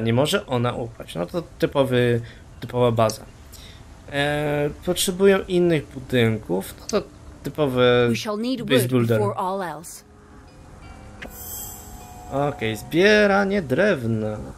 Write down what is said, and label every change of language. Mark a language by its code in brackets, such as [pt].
[pl] Nie może ona upaść. No to typowa baza. Potrzebują innych budynków. No to typowe... [en] We shall need wood before all else. [pl] Okej, okay, zbieranie drewna.